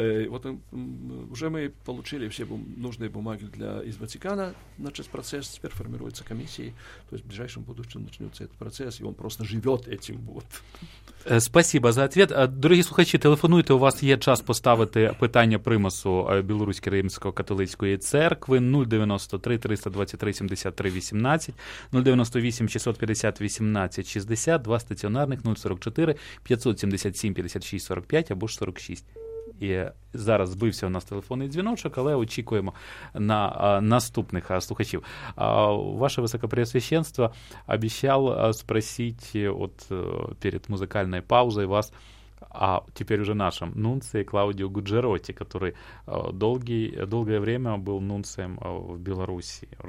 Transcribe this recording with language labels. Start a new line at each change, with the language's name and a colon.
Russian: Вот уже мы получили все нужные бумаги из Ватикана, значит, процесс теперь формируется комиссией, то есть в ближайшем будущем начнется этот процесс, и он просто живет этим, вот. Спасибо за ответ.
Ukrainian: Дорогі слухачі, телефонуйте, у вас є час поставити питання примасу Білоруської Римсько-католицької церкви 093-323-73-18, 098-650-18-60, два стаціонарних 044-577-56-45 або ж 46. І зараз збився у нас телефонний дзвіночок, але очікуємо на наступних слухачів. Ваше Високопреосвященство обіцяв спросити от перед музикальною паузою вас,
Russian: а теперь уже нашим, нунцием Клаудио Гуджероти, который долгое время был нунцием в Беларуси.